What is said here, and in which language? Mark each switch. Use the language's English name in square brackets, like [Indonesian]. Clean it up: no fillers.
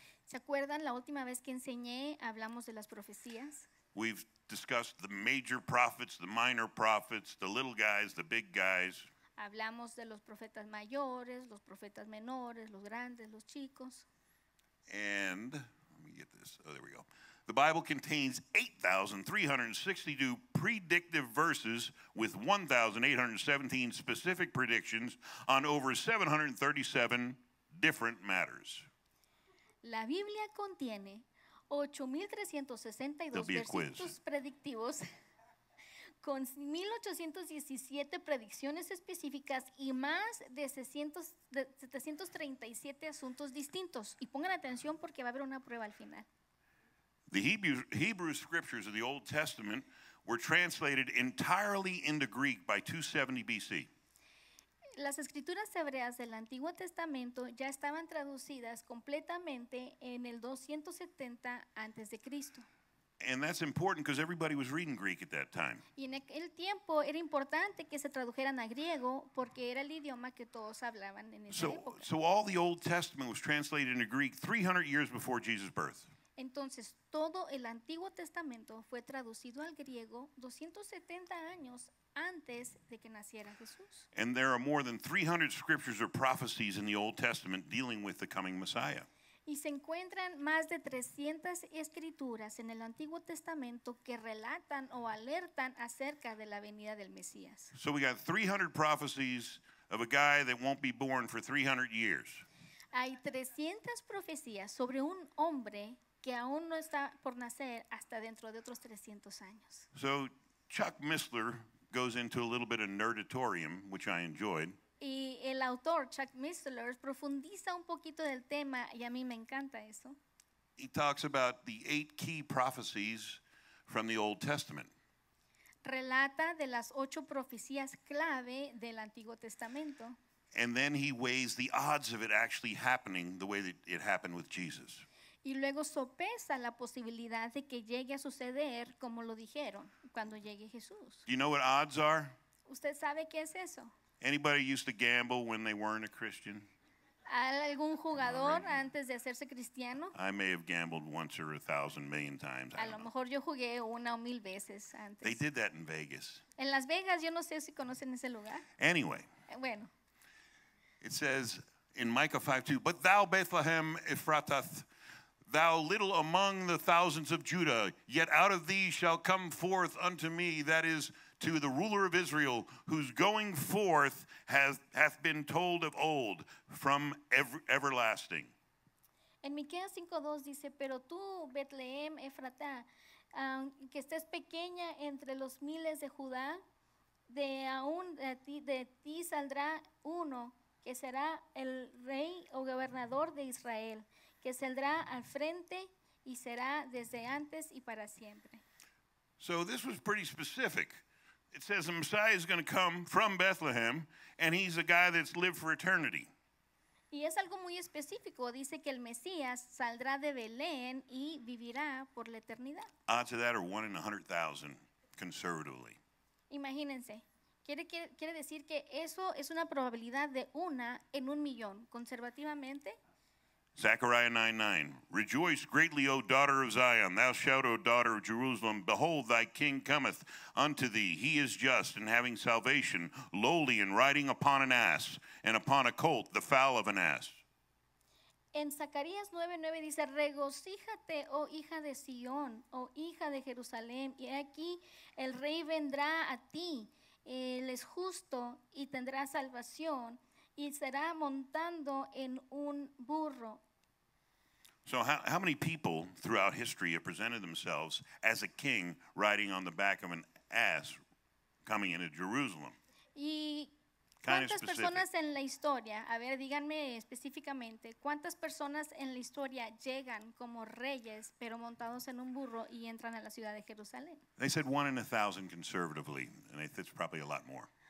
[Spanish] ¿Se acuerdan la última vez que enseñé, hablamos de las profecías? [English] We've discussed the major prophets, the minor prophets, the little guys, the big guys. [Spanish] Hablamos de los profetas mayores, los profetas menores, los grandes, los chicos. [English] And let me get this. Oh, there we go. The Bible contains 8,362 predictive verses with 1,817 specific predictions on over 737 different matters. [Spanish] La Biblia contiene 8,362 versículos predictivos con 1,817 predicciones específicas y más de 737 asuntos distintos. Y pongan atención porque va a haber una prueba al final. [English] The Hebrew scriptures of the Old Testament were translated entirely into Greek by 270 B.C. [Spanish] Las escrituras hebreas del Antiguo Testamento ya estaban traducidas completamente en el 270 antes de Cristo. [English] And that's important because everybody was reading Greek at that time. [Spanish] Y en aquel tiempo era importante que se tradujeran a griego porque era el idioma que todos hablaban en esa época. [English] So all the Old Testament was translated into Greek 300 years before Jesus' birth. [Spanish] Entonces todo el Antiguo Testamento fue traducido al griego 270 años antes de que naciera Jesús. [English] And there are more than 300 scriptures or prophecies in the Old Testament dealing with the coming Messiah. [Spanish] Y se encuentran más de 300 escrituras en el Antiguo Testamento que relatan o alertan acerca de la venida del Mesías. [English] So we got 300 prophecies of a guy that won't be born for 300 years. [Spanish] Hay 300 profecías sobre un hombre que aún no está por nacer hasta dentro de otros 300 años. [English] So Chuck Missler goes into a little bit of nerditorium, which I enjoyed. [Spanish] Y el autor Chuck Missler profundiza un poquito del tema y a mí me encanta eso. [English] He talks about the 8 key prophecies from the Old Testament. [Spanish] Relata de las 8 profecías clave del Antiguo Testamento. [English] And then he weighs the odds of it actually happening the way that it happened with Jesus. [Spanish] Y luego sopesa la posibilidad de que llegue a suceder como lo dijeron cuando llegue Jesús. [English] Do you know what odds are? [Spanish] ¿Usted sabe qué es eso? [English] Anybody used to gamble when they weren't a Christian? [Spanish] ¿Algún jugador antes de hacerse cristiano? [English] I may have gambled once or 1,000,000,000 times. [Spanish] A lo mejor yo jugué una o mil veces antes. [English] They did that in Vegas. [Spanish] En Las Vegas, yo no sé si conocen ese lugar. [English] Anyway. [Spanish] Bueno. [English] It says in Micah 5:2, but thou Bethlehem Ephratath, thou little among the thousands of Judah, yet out of thee shall come forth unto me, that is, to the ruler of Israel, whose going forth hath been told of old from everlasting. [Spanish] En Miqueas 5:2 dice, pero tú, Betlehem, Efratá, que estés pequeña entre los miles de Judá, de ti saldrá uno que será el rey o gobernador de Israel, que saldrá al frente y será desde antes y para siempre. [English] So this was pretty specific. It says the Messiah is going to come from Bethlehem, and he's a guy that's lived for eternity. [Spanish] Y es algo muy específico. Dice que el Mesías saldrá de Belén y vivirá por la eternidad. [English] Odds of that are 1 in 100,000, conservatively. [Spanish] Imagínense. Quiere decir que eso es una probabilidad de 1 in 1,000,000, conservativamente. [English] Zechariah 9:9. Rejoice greatly, O daughter of Zion. Thou shalt, O daughter of Jerusalem. Behold, thy king cometh unto thee. He is just and having salvation, lowly and riding upon an ass, and upon a colt, the foal of an ass. [Spanish] En Zacarías 9:9 dice, regocíjate, oh hija de Sion, oh hija de Jerusalén. Y aquí el rey vendrá a ti. Él es justo y tendrá salvación. Y será montando en un burro. [English] So how many people throughout history have presented themselves as a king riding on the back of an ass coming into Jerusalem? [Spanish] Y ¿cuántas personas en la historia, a ver, díganme específicamente, cuántas personas en la historia llegan como reyes, pero montados en un burro y entran a la ciudad de Jerusalén? [English] They said 1 in 1,000 conservatively, and it's probably a lot more.